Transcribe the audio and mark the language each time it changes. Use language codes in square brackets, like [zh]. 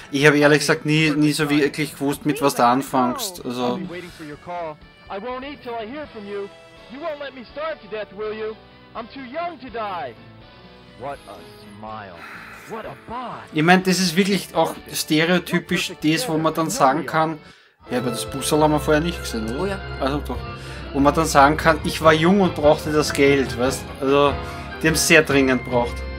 [de] Ich habe ehrlich gesagt nie so wirklich gewusst, mit was du anfängst. [en] Also, I won't eat till I hear from you. You won't let me starve to death, will you? I'm too young to die. What a smile. [de] Ich meine, das ist wirklich auch stereotypisch das, wo man dann sagen kann, ja, aber das Busserl haben wir vorher nicht gesehen, oder? Oh ja. Also doch. Wo man dann sagen kann, ich war jung und brauchte das Geld, weißt? Also, die haben es sehr dringend braucht.